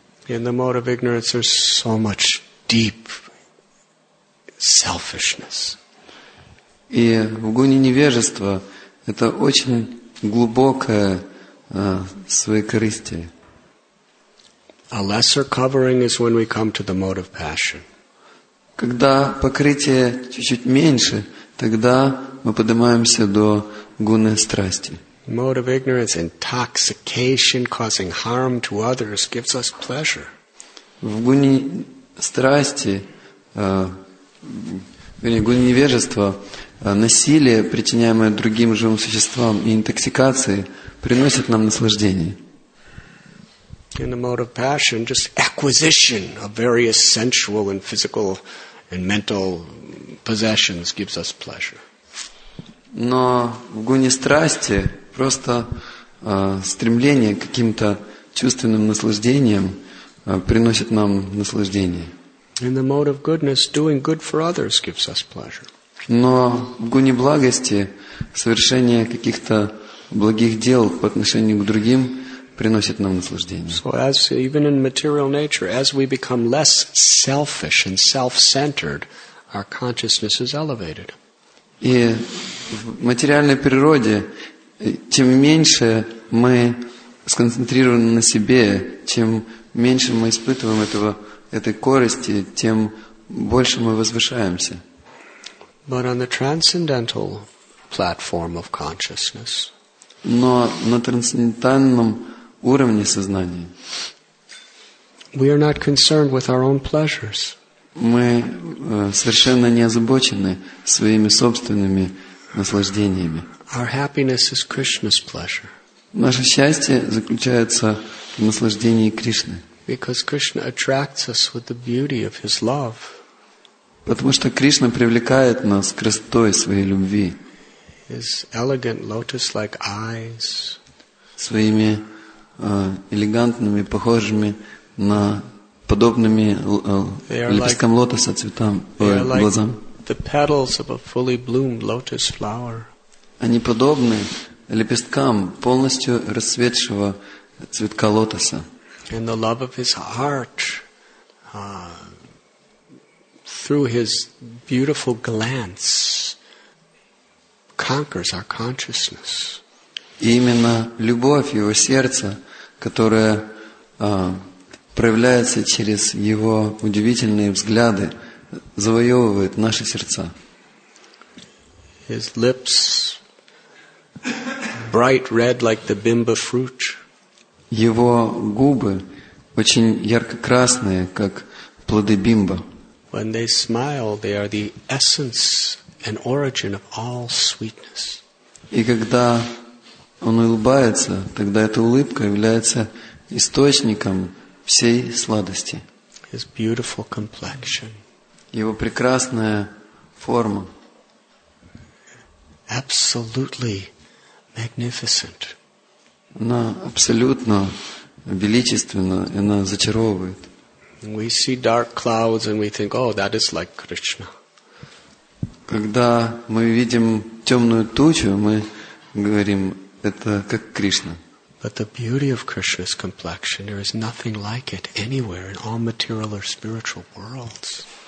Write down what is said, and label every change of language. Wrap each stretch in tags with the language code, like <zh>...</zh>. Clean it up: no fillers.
<en>In the mode of ignorance, there's so much deep selfishness.</en> <ru>И в гуне невежества это очень глубокое своекорыстие.</ru> <en>A lesser covering is when we come to the mode of passion.</en> <ru>Когда покрытие чуть-чуть меньше, тогда мы поднимаемся до гуны страсти.</ru> <en>Mode of ignorance, intoxication, causing harm to others, gives us pleasure.</en> <ru>В гуне страсти, вернее, в гуне невежества, насилие, причиняемое другим живым существам, и интоксикации приносят нам наслаждение.</ru> <en>In the mode of passion, just acquisition of various sensual and physical and mental possessions gives us pleasure.</en> <ru>Но в гуне страсти просто стремление к каким-то чувственным наслаждениям приносит нам наслаждение.</ru> <en>In the mode of goodness, doing good for others gives us pleasure.</en> <ru>Но в гуне благости совершение каких-то благих дел по отношению к другим приносит нам наслаждение.</ru> <en>So as even in material nature, as we become less selfish and self-centered, our consciousness is elevated.</en> <ru>И в материальной природе, чем меньше мы сконцентрированы на себе, чем меньше мы испытываем этой корости, тем больше мы возвышаемся.</ru> <en>But on the transcendental platform of consciousness,</en> <ru>но на трансцендентальном уровне сознания,</ru> <en>we are not concerned with our own pleasures.</en> <ru>Мы совершенно не озабочены своими собственными наслаждениями.</ru> <en>Our happiness is Krishna's pleasure.</en> <ru>Наше счастье заключается в наслаждении Кришны.</ru> <en>Because Krishna attracts us with the beauty of his love.</en> <ru>Потому что Кришна привлекает нас красотой своей любви.</ru> <en>His elegant lotus-like eyes.</en> <ru>Своими элегантными, похожими на подобными лепесткам лотоса цветам, глазам.</ru> <en>The petals of a fully bloomed lotus flower.</en> <ru>Они подобны лепесткам полностью расцветшего цветка лотоса.</ru> <en>And the love of his heart through his beautiful glance conquers our consciousness.</en> <ru>И именно любовь его сердца, которая проявляется через его удивительные взгляды, завоевывает наши сердца.</ru> <en>His lips bright red like the bimba fruit.</en> <ru>Его губы очень ярко-красные, как плоды бимба.</ru> <en>When they smile, they are the essence an origin of all sweetness.</en> <ru>И когда он улыбается, тогда эта улыбка является источником всей сладости.</ru> <en>His beautiful complexion.</en> <ru>Его прекрасная форма.</ru> <en>Absolutely magnificent.</en> <ru>Она абсолютно величественна, и она зачаровывает.</ru> <en>We see dark clouds and we think, oh, that is like Krishna.</en> <ru>Когда мы видим темную тучу, мы говорим, это как Кришна.</ru> <en>But the beauty of Krishna's complexion, there is nothing like it anywhere in all material or spiritual worlds.</en>